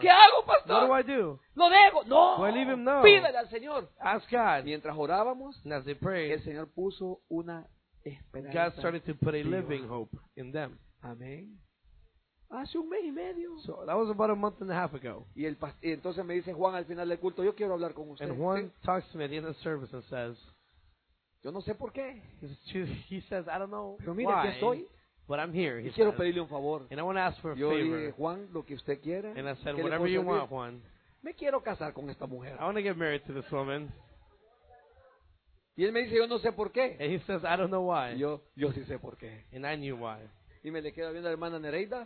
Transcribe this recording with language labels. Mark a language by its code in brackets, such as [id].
[es] ¿Qué hago, pastor? [en] What do I do? [es] ¿Lo dejo? No. [en] Do I leave him? No. [es] Pídale al Señor. [en] Ask God. [es] Mientras orábamos, [en] and as they prayed, [es] el Señor puso una esperanza. [en] God started to put a living hope in them. [es] Amén. Hace un mes y medio. [en] So that was about a month and a half ago. [es] Y el y entonces me dice Juan al final del culto, yo quiero hablar con usted. [en] And Juan talks to me at the end of the service and says, [es] yo no sé por qué. [en] He says, I don't know [es] pero mire, [en] why. [es] Estoy. [en] But I'm here. [es] Y quiero pedirle un favor. [en] And I want to ask for a [es] yo [en] favor. [es] Yo dije Juan lo que usted quiera. [en] And I said, whatever you want, Juan. [es] Me quiero casar con esta mujer. [en] I want to get married to this woman. [es] Y él me dice, yo no sé por qué. [en] And he says, I don't know why. [es] Yo sí sé por qué. [en] And I knew why. [es] Y me le queda viendo a hermana Nereida.